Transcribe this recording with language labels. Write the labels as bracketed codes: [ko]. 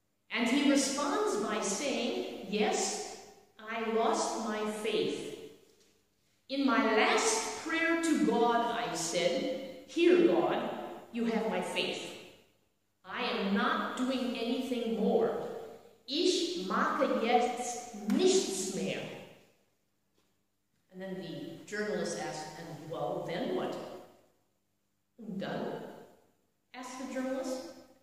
[en] And he responds by saying, yes, I lost my faith. In my last prayer to God, I said, here, God, you have my faith. I am not doing anything more. [de] Ich mache jetzt nichts mehr. [en] And then the journalist asked, and well, then what? [de] Und dann? [en] Asked the journalist.